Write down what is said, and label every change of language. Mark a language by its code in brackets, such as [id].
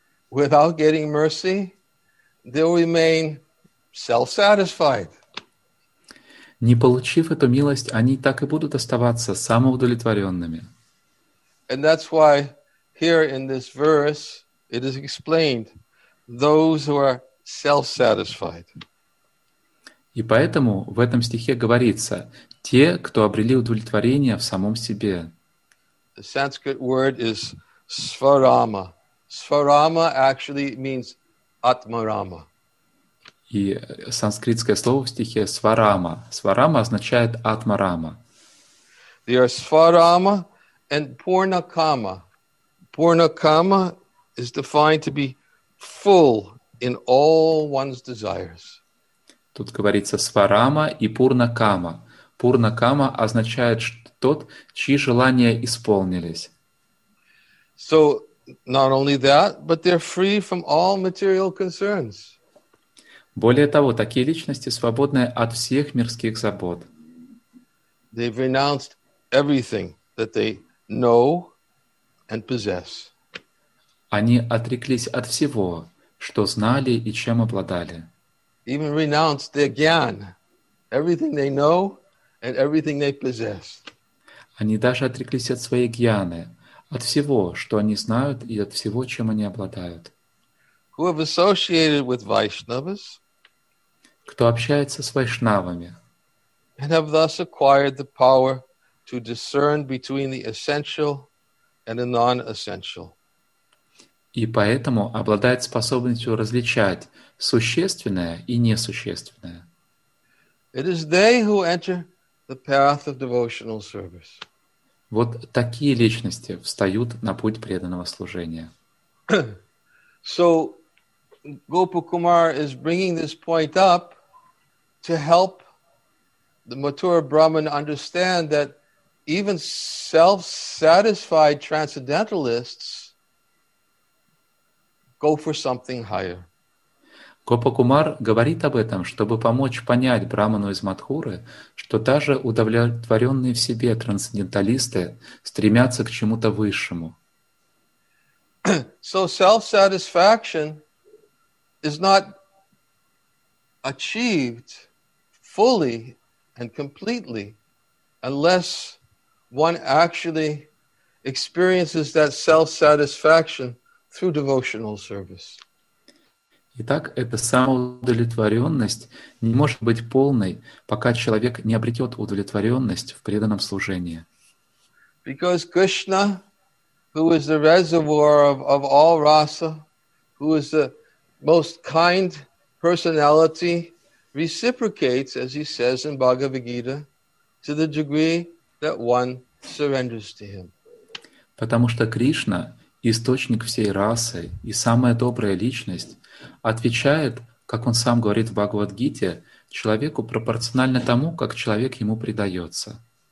[en] Without getting mercy, they'll remain self-satisfied. [ru] Не получив эту милость, они так и будут оставаться самоудовлетворенными. [en] And that's why here in this verse it is explained, those who are self-satisfied. [ru] И поэтому в этом стихе говорится, те, кто обрели удовлетворение в самом себе. [en] The Sanskrit word is svarama. Svarama actually means atmarama. [ru] И санскритское слово в стихе сварама. Сварама означает атмарама. [en] They are svarama and purnakama. Purnakama is defined to be full in all one's desires. [ru] Тут говорится сварама и пурнакама. Пурнакама означает тот, чьи желания исполнились. [en] So, not only that, but they're free from all material concerns. [ru] Более того, такие личности свободны от всех мирских забот. [en] They've renounced everything that they know and possess. [ru] Они отреклись от всего, что знали и чем обладали. [en] Even renounced their gyan, everything they know and everything they possess. [ru] Они даже отреклись от своей гьяны, от всего, что они знают и от всего, чем они обладают. [en] Who have associated with Vaishnavas, [ru] кто общается с вайшнавами. [en] And have thus acquired the power to discern between the essential and the non-essential. [ru] И поэтому обладает способностью различать существенное и несущественное. [en] It is they who enter the path of devotional service. [ru] Вот такие личности встают на путь преданного служения. [en] So, Gopakumar is bringing this point up to help the mature Brahman understand that even self-satisfied transcendentalists go for something higher. [ru] Гопакумар говорит об этом, чтобы помочь понять Браману из Матхуры, что даже удовлетворенные в себе трансценденталисты стремятся к чему-то высшему. [en] So self-satisfaction is not achieved fully and completely unless one actually experiences that self-satisfaction through devotional service. [ru] Итак, эта самоудовлетворенность не может быть полной, пока человек не обретет удовлетворенность в преданном служении. [en] Because Krishna, who is the reservoir of all rasa, who is the most kind personality, reciprocates, as he says in Bhagavad Gita, to the degree that one surrenders to him. [ru] Потому что Кришна источник всей расы и самая добрая личность отвечает, как он сам говорит в Бхагавад-гите, человеку пропорционально тому, как человек ему предается.